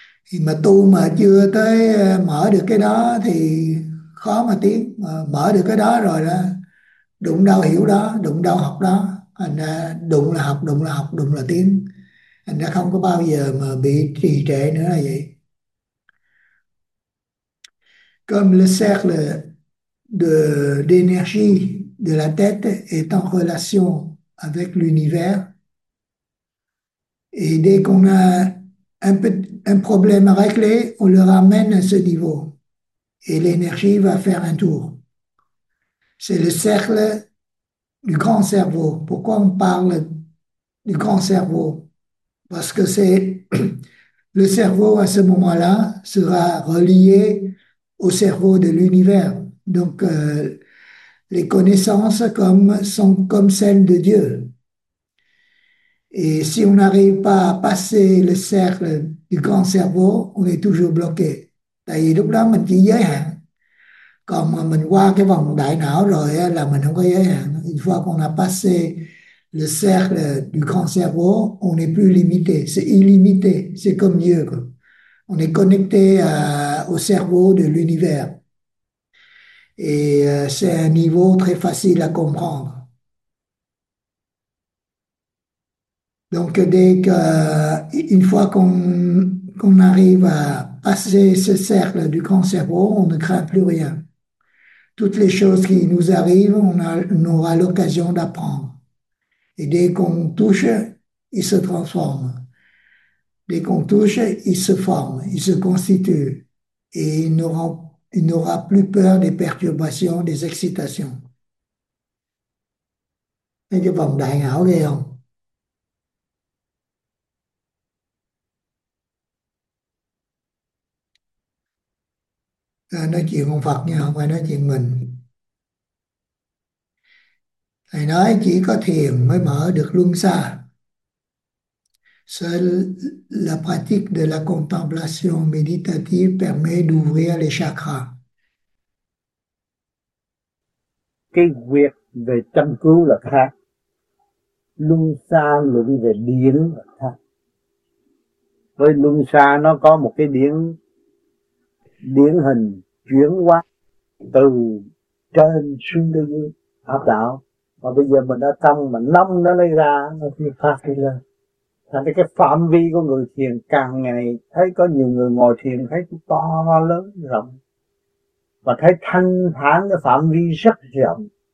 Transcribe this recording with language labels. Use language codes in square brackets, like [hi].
[vi] Thì mà tu mà chưa tới mở được cái đó thì khó mà tiến. Mở được cái đó rồi đó, đụng đâu hiểu đó, đụng đâu học đó. Thành ra đụng là học, đụng là học, đụng là tiến. Thành ra không có bao giờ mà bị trì trệ nữa là vậy. [fr] Comme le cercle d'énergie de la tête est en relation avec l'univers, et dès qu'on a un problème réglé, on le ramène à ce niveau et l'énergie va faire un tour. C'est le cercle du grand cerveau. Pourquoi on parle du grand cerveau? Parce que c'est le cerveau à ce moment-là sera relié au cerveau de l'univers. Donc, les connaissances sont comme celles de Dieu. Et si on n'arrive pas à passer le cercle du grand cerveau, on est toujours bloqué. [vi] Tại vì lúc đó mình chỉ giới hạn. Còn mà mình qua cái vòng đại não rồi là mình không có giới hạn. [fr] Une fois qu'on a passé le cercle du grand cerveau, on n'est plus limité. C'est illimité. C'est comme Dieu, quoi. On est connecté au cerveau de l'univers. Et c'est un niveau très facile à comprendre. Donc, une fois qu'on arrive à passer ce cercle du grand cerveau, on ne craint plus rien. Toutes les choses qui nous arrivent, on aura l'occasion d'apprendre. Et dès qu'on touche, il se transforme. Dès qu'on touche, il se forme, il se constitue. Et il n'aura plus peur des perturbations, des excitations. [vi] Thấy cái vòng đại não ghê không? Nói chuyện ông Phật nha, không phải nói chuyện mình. Thầy nói chỉ có thiền mới mở được luân xa. [fr] Seule la pratique de la contemplation méditative permet d'ouvrir les chakras. [vi] Cái việc về châm cứu là khác, luân xa luận về điển là khác. Với luân xa nó có một cái điển điển hình chuyển hóa từ trên xuống dưới áp đảo, mà bây giờ mình đã tâm mà năm nó lấy ra, nó phát phát đi lên, thành ra cái phạm vi của người thiền càng ngày thấy có nhiều người ngồi thiền thấy to lớn rộng và thấy thanh thản, cái phạm vi rất rộng.